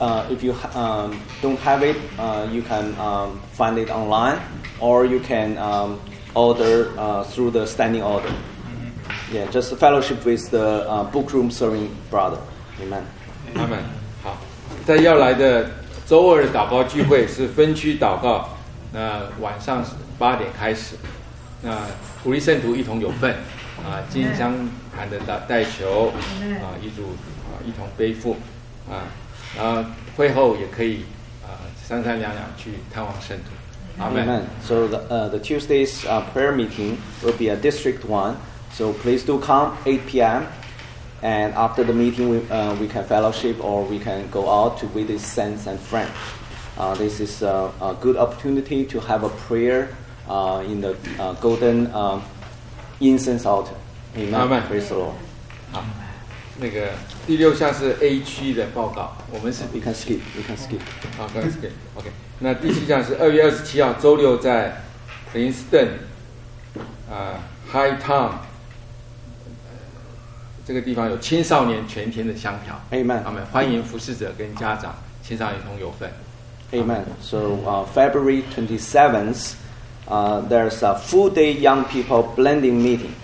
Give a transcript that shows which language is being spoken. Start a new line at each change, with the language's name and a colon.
English: If you don't have it, you can find it online, or you can order through the standing order. Yeah, just fellowship with the book room serving brother. Amen. Amen.
Chinese: 好，在要来的周二祷告聚会是分区祷告，那晚上8点开始。那鼓励圣徒一同有份，金香坛的代求，一组一同背负，然后会后也可以三三两两去探望圣徒。
English: Amen. So the Tuesday's prayer meeting will be a district one. So please do come 8 p.m. and after the meeting we can fellowship or we can go out to visit saints and friends. This is a good opportunity to have a prayer. In the golden incense altar. Amen. Amen. Praise the Lord.
Chinese: 好，那个第六项是 A 区的报告，我们是
English: we can skip, we can skip.
Chinese: 好，可以 skip. OK. 那第七项是2月27号周六在 Princeton, High Town 这个地方有青少年全天的香调。
English: Amen.
Chinese: 阿门。欢迎服侍者跟家长、青少年同有份。
English: Amen. So February 27th. There's a full day young people blending meeting.